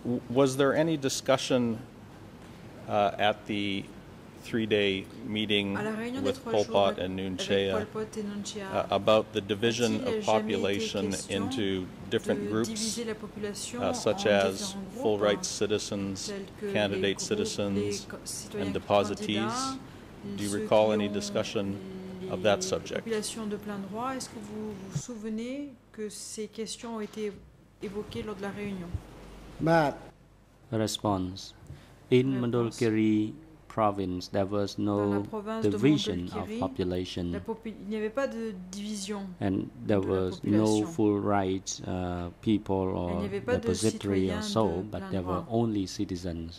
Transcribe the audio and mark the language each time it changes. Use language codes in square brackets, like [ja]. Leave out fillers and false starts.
[en] Was there any discussion at the three-day meeting with Pol Pot and Nguyen Chea about the division of population into different groups, such as full rights citizens, candidate citizens, and depositees? Do you recall any discussion of that subject? [fr] Population de plein droit. Est-ce que vous vous souvenez que ces questions ont été évoqué lors de la réunion. [en] But response. In Mundulkiri province, there was no division of population. [fr] Il n'y avait pas de division. [en] And there was no full rights people or depository or so, but there were only citizens.